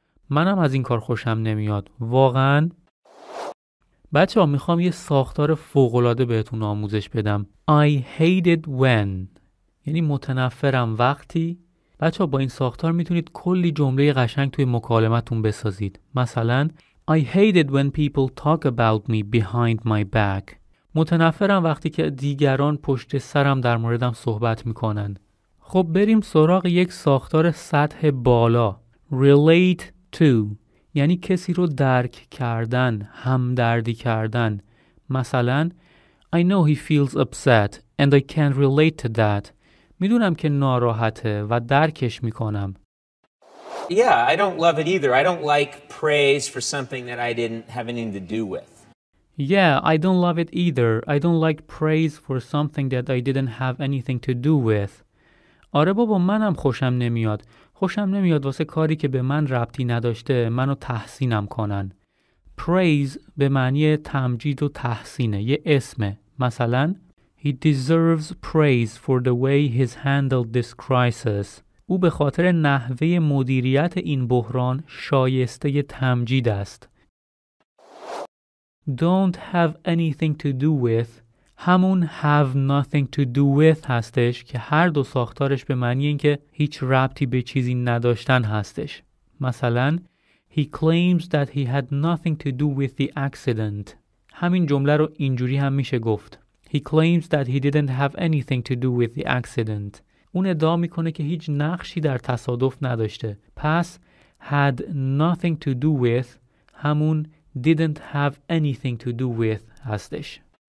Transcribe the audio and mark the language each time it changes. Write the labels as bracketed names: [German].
[Persian] منم از این کار خوشم نمیاد. واقعا. بچه‌ها میخوام یه ساختار فوق‌العاده بهتون آموزش بدم. [English] I hate it when. [Persian] یعنی متنفرم وقتی. بچه‌ها با این ساختار میتونید کلی جمله قشنگ توی مکالمتون بسازید. مثلا [English] I hate it when people talk about me behind my back. [Persian] متنفرم وقتی که دیگران پشت سرم در موردم صحبت میکنن. خب بریم سراغ یک ساختار سطح بالا [English] relate to [Persian] یعنی کسی رو درک کردن همدردی کردن مثلا [English] I know he feels upset and I can relate to that [Persian] میدونم که ناراحته و درکش میکنم [English] Yeah I don't love it either I don't like praise for something that I didn't have anything to do with Yeah I don't love it either I don't like praise for something that I didn't have anything to do with [Persian] آره بابا منم خوشم نمیاد. خوشم نمیاد واسه کاری که به من ربطی نداشته منو تحسینم کنن. Praise به معنی تمجید و تحسینه. یه اسمه. مثلا [English] He deserves praise for the way he's handled this crisis. [Persian] او به خاطر نحوه مدیریت این بحران شایسته تمجید است. [English] Don't have anything to do with [Persian] همون [English] have nothing to do with [Persian] هستش که هر دو ساختارش به معنی این که هیچ ربطی به چیزی نداشتن هستش. مثلا [English] He claims that he had nothing to do with the accident. [Persian] همین جمله رو اینجوری هم میشه گفت. [English] He claims that he didn't have anything to do with the accident. [Persian] اون ادعا میکنه که هیچ نقشی در تصادف نداشته. پس [English] had nothing to do with [Persian] همون [English] didn't have anything to do with [Persian] هستش.